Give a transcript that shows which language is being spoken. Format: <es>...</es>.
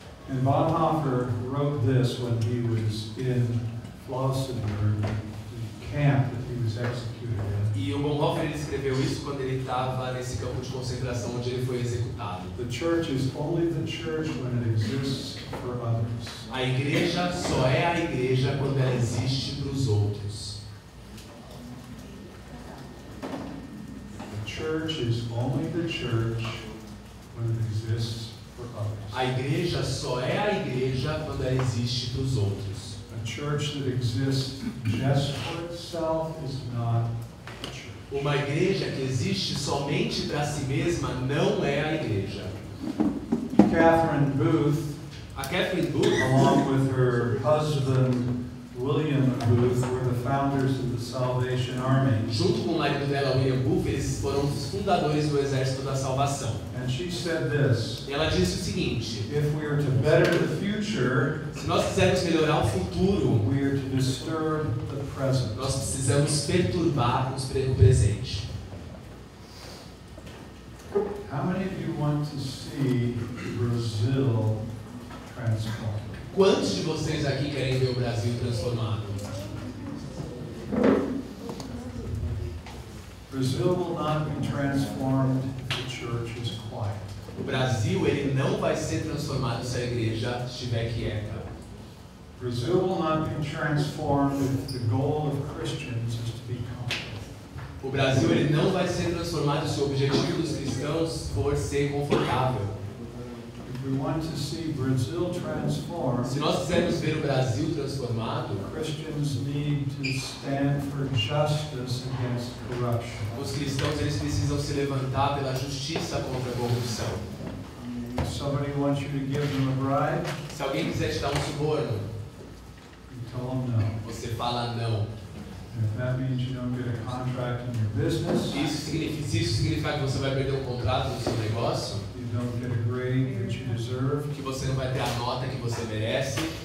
<en>And Bonhoeffer wrote this when he was in Flossenbürg, the camp that he was executed in.</en> <pt>E o Bonhoeffer ele escreveu isso quando ele estava nesse campo de concentração onde ele foi executado.</pt> <en>The church is only the church when it exists for others.</en> <pt>A igreja só é a igreja quando ela existe para os outros.</pt> <en>The church is only the church when it exists for others.</en> <pt>A igreja só é a igreja quando ela existe para os outros.</pt> <en>A church that exists just for itself is not.</en> <pt>Uma igreja que existe somente para si mesma não é a igreja.</pt> <en>Catherine Booth,</en> <pt>a Catherine Booth,</pt> <en>along with her husband William Booth, were the founders of the Salvation Army.</en> <pt>Junto com o marido dela, William Booth, eles foram os fundadores do Exército da Salvação.</pt> <en>And she said this,</en> <pt>e ela disse o seguinte:</pt> <en>if we are to better the future,</en> <pt>se nós quisermos melhorar o futuro,</pt> <en>we are to disturb the present.</en> <pt>Nós precisamos perturbar o presente.</pt> <en>How many of you want to see Brazil transformed?</en> <pt>Quantos de vocês aqui querem ver o Brasil transformado?</pt> <en>Brazil will not be transformed if the church is quiet.</en> <pt>O Brasil ele não vai ser transformado se a igreja estiver quieta.</pt> <en>Brazil will not be transformed if the goal of Christians is to be comfortable.</en> <pt>O Brasil ele não vai ser transformado se o objetivo dos cristãos for ser confortável.</pt> <en>We want to see Brazil transformed.</en> <pt>Se nós quisermos ver o Brasil transformado,</pt> <en>Christians need to stand for justice against corruption.</en> <pt>Os cristãos eles precisam se levantar pela justiça contra a corrupção.</pt> <en>Somebody wants you to give them a bribe?</en> <pt>Se alguém quiser te dar um suborno,</pt> <en>you tell them no.</en> <pt>Você fala não.</pt> <en>If that means you don't get a contract in your business,</en> <pt>se isso significa que você vai perder um contrato no seu negócio,</pt> <en>don't get a grade that you deserve,</en> <pt>que você não vai ter a nota que você merece,</pt>